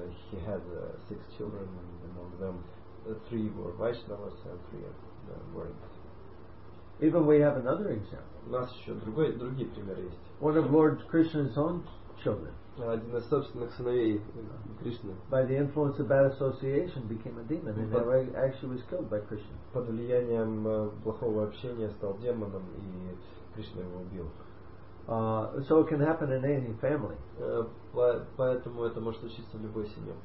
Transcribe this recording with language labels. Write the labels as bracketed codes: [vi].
[en] He had six children, and among them three were Vaishnavas and three weren't. Even we have another example. [ru] У нас еще другие примеры есть. [en] One of Lord Krishna's own children. [ru] Один из собственных сыновей Кришны. [en] By the influence of bad association, became a demon, and actually was killed by Krishna. [ru] Под влиянием плохого общения стал демоном, и Кришна его убил. [en] So it can happen in any family. [ru] Поэтому это может случиться в любой семье.